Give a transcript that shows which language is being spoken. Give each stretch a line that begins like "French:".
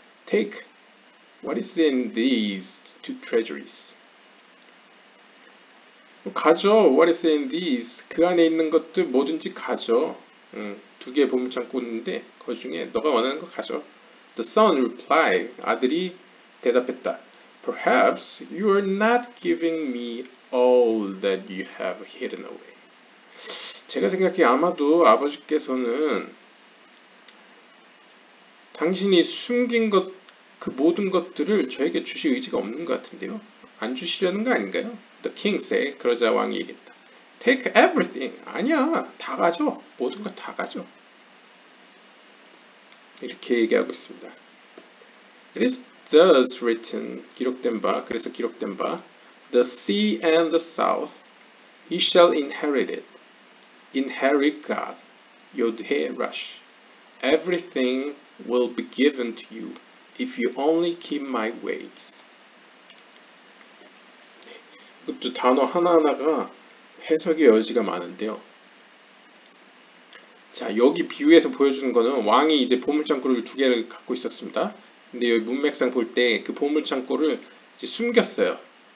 English: Take what is in these two treasuries.
Korean: 가져,
English: what is in these.
Korean: 그 안에 있는 것들 뭐든지 가져. 두 개의 보물창고 있는데, 그 중에 너가 원하는 거 가져.
English: The son replied,
Korean: 아들이 대답했다.
English: Perhaps you are not giving me all that you have hidden away.
Korean: 제가 생각해 아마도 아버지께서는 당신이 숨긴 것, 그 모든 것들을 저에게 주실 의지가 없는 것 같은데요. 안 주시려는 거 아닌가요?
English: The king said,
Korean: 그러자 왕이 얘기했다.
English: Take everything.
Korean: 아니야, 다 가져. 모든 것 다 가져. 이렇게 얘기하고 있습니다.
English: It is thus written,
Korean: 기록된 바, 그래서 기록된 바,
English: The sea and the south, he shall inherit it. Inherit God, Yodhe Rush. Everything will be given to you if you only keep my ways.
Korean: 이것도 단어 하나하나가 해석의 여지가 많은데요. 자, 여기 비유에서 보여주는 거는 왕이 이제 보물창고를 두 개를 갖고 있었습니다. 근데 여기 문맥상 볼 때 그 보물창고를 이제 숨겼어요.